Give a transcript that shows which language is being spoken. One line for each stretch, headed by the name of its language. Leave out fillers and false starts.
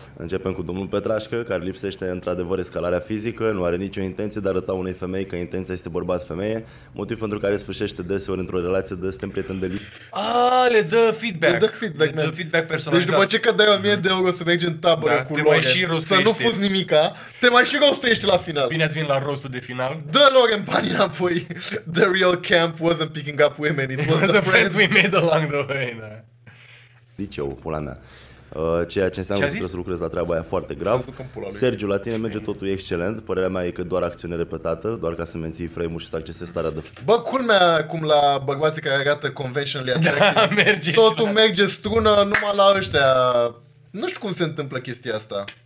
Romanian: Începem cu domnul Petrașcă, care lipsește într-adevăr escalarea fizică, nu are nicio intenție de a arăta unei femei că intenția este bărbat-femeie, motiv pentru care sfârșește deseori într-o relație de suntem prieteni de lipsă. Le dă feedback. Le dă feedback, le dă feedback personalizat. Deci după ce că dai 1000 de euro să mergi în tabără cu Loren, să nu fuzi nimica, te mai și rostuiești la final. Bine ați venit la rostul de final. Dă Loren banii înapoi.
English: The real camp wasn't picking up women, it was the friends we made along the way.
Romanian: Liceu, pula mea. Ceea ce înseamnă că trebuie să lucrezi la treaba aia foarte grav. Sergiu, la tine merge totul excelent. Părerea mea e că doar acțiune repetată, doar ca să menții frame-ul și să accesezi starea de Bă, culmea, cum la bărbații care arată conventionally attractive, merge totul la... merge strună numai la ăștia. Nu știu cum se întâmplă chestia asta.